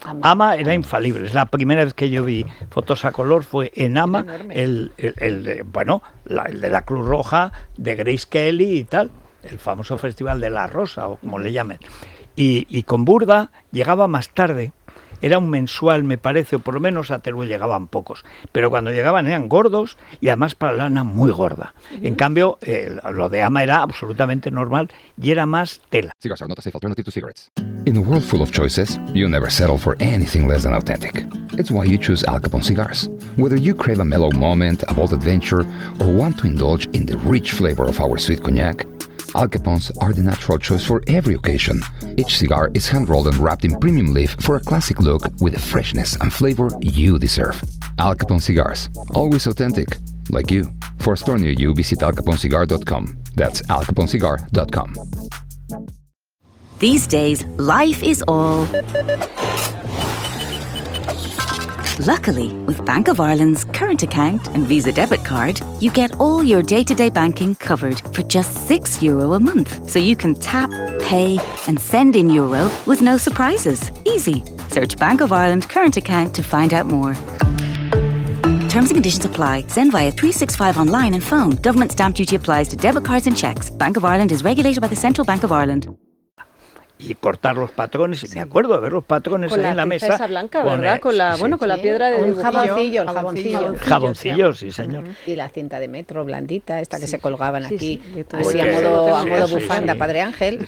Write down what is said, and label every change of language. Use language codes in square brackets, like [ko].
[es] Ama era infalible. Es la primera vez que yo vi fotos a color, fue en Ama, el de la Cruz Roja, de Grace Kelly y tal, el famoso Festival de la Rosa, o como le llamen. Y con Burda llegaba más tarde, era un mensual, me parece, o por lo menos a Teruel llegaban pocos. Pero cuando llegaban eran gordos y además para lana muy gorda. Uh-huh. En cambio, lo de Ama era absolutamente normal y era más tela. [en] Cigars are not a safe alternative to cigarettes. In a world full of choices, you never settle for anything less than authentic. It's why you choose Al Capone cigars. Whether you crave a mellow moment, a bold adventure, or want to indulge in the rich flavor of our sweet cognac, Al Capones are the natural choice for every occasion. Each cigar is hand-rolled and wrapped in premium leaf for a classic look with the freshness and flavor you deserve. Al Capone cigars, always authentic, like you. For a store near you, visit alcaponecigar.com. That's alcaponecigar.com. These days, life is all... Luckily, with Bank of Ireland's current account and Visa debit card, you get all your day-to-day banking covered for just €6 a month. So you can tap, pay, and send in euro with no surprises. Easy. Search Bank of Ireland current account to find out more. Terms and conditions apply. Send via 365 online and phone. Government stamp duty applies to debit cards and checks. Bank of Ireland is regulated by the Central Bank of Ireland. [es] Y cortar los patrones, sí. Me acuerdo de ver los patrones con ahí en la mesa. Con la blanca, ¿verdad? Con la piedra de un jaboncillo. Sí, señor. Uh-huh. Y la cinta de metro blandita, esta que sí, se colgaban sí, aquí, sí, así a modo bufanda, sí, Padre Ángel.